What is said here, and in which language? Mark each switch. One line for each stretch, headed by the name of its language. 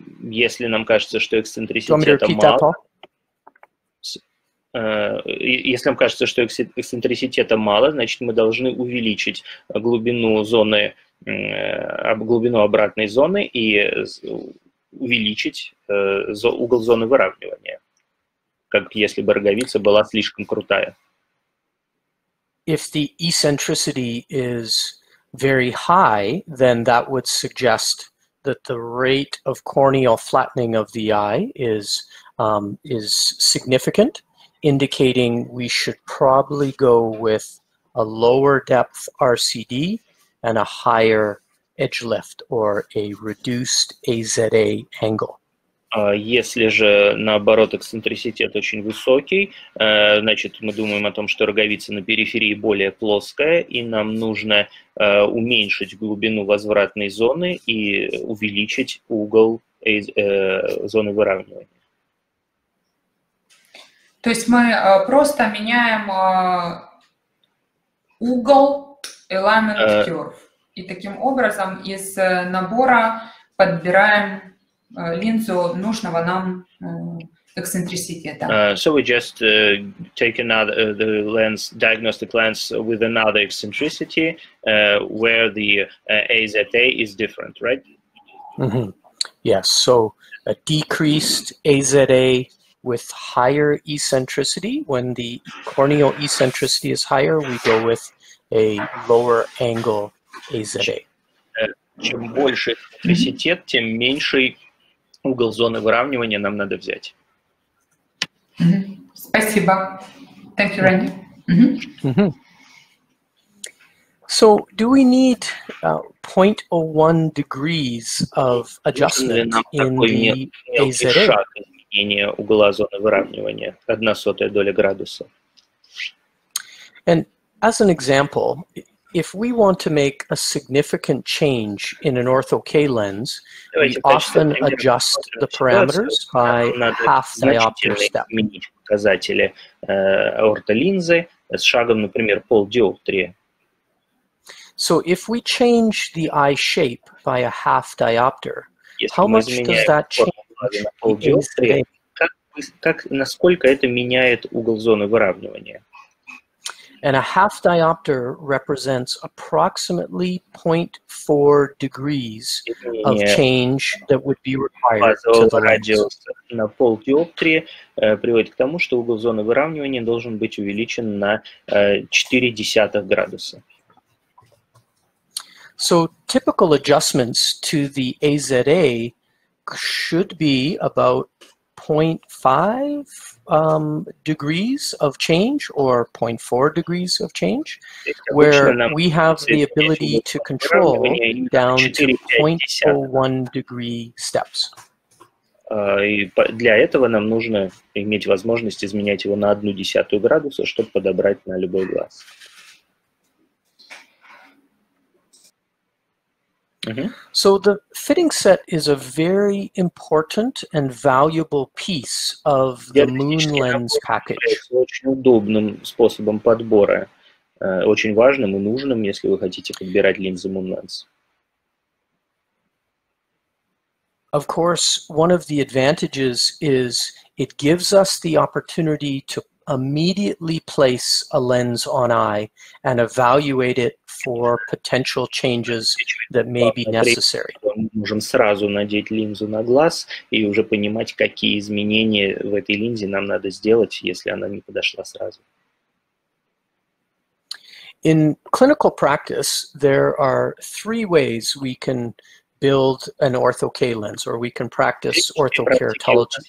Russian: Если нам кажется, что эксцентриситета мало, если нам кажется, что эксцентриситета мало, значит, мы должны увеличить глубину зоны, глубину обратной зоны и увеличить угол зоны выравнивания, как если бы роговица была слишком крутая.
English: If the eccentricity is very high, then that would suggest that the rate of corneal flattening of the eye is significant, indicating we should probably go with a lower depth RCD and a higher edge left or a reduced AZA angle.
Russian: Если же, наоборот, эксцентриситет очень высокий, значит, мы думаем о том, что роговица на периферии более плоская, и нам нужно уменьшить глубину возвратной зоны и увеличить угол зоны выравнивания. То есть мы просто меняем угол alignment curve, и таким образом из набора подбираем линзу нужного нам эксцентриситета.
English: So we just take another the lens, diagnostic lens with another eccentricity, where the AZA is different, right? Mm-hmm. Yes, so a decreased AZA with higher eccentricity. When the corneal eccentricity is higher, we go with a lower angle AZA.
Russian: Чем больше эксцентриситет, тем меньше угол зоны выравнивания нам надо взять.
English: Mm-hmm.
Russian: Спасибо.
English: Thank you, Randy. Mm-hmm. So, do we need 0.01 degrees of adjustment in the AZA?
Russian: Шаг изменения угла зоны выравнивания, 1/100 доля градуса.
English: And as an example, if we want to make a significant change in an ortho K lens, we often adjust the parameters by half the diopter step.
Russian: Изменить показатели ортолинзы с шагом, например, полдиоптрии.
English: So if we change the eye shape by a half diopter, how much does that change?
Russian: Как насколько это меняет угол зоны выравнивания?
English: And a half diopter represents approximately 0.4 degrees of change that would be required to the radius.
Russian: На полдиоптрии приводит к тому, что угол зоны выравнивания должен быть увеличен на 0.4 градуса.
English: So typical adjustments to the AZA should be about 0.5 degrees of change or 0.4 degrees of change, where we have the ability to control down to 0.01 degree steps.
Russian: Для этого нам нужно иметь возможность изменять его на 0.1 градуса, чтобы подобрать на любой глаз. Mm-hmm.
English: So the fitting set is a very important and valuable piece of the MoonLens package.
Russian: Очень удобным способом подбора, очень важным и нужным, если вы хотите подбирать линзы MoonLens.
English: Of course, one of the advantages is it gives us the opportunity to immediately place a lens on eye and evaluate it for potential changes that may be necessary.
Russian: Мы можем сразу надеть линзу на глаз и уже понимать, какие изменения в этой линзе нам надо сделать, если она не подошла сразу.
English: In clinical practice, there are three ways we can build an ortho-K lens, or we can practice ortho-keratology.